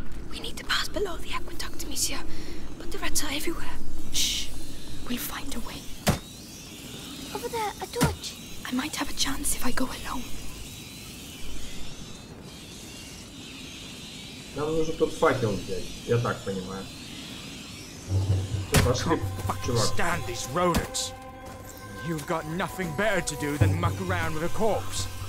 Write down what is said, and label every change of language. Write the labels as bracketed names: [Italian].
[English] We need to pass below the aqueduct, monsieur. But the rats are everywhere. Shh. We'll find a way. Over there, a torch. I might have a chance if I go alone. [Russian] Нам нужен тот факел здесь, я так понимаю. Все, пошли, чувак. [English] Stand these rodents. You've got nothing better to do than muck around with a corpse.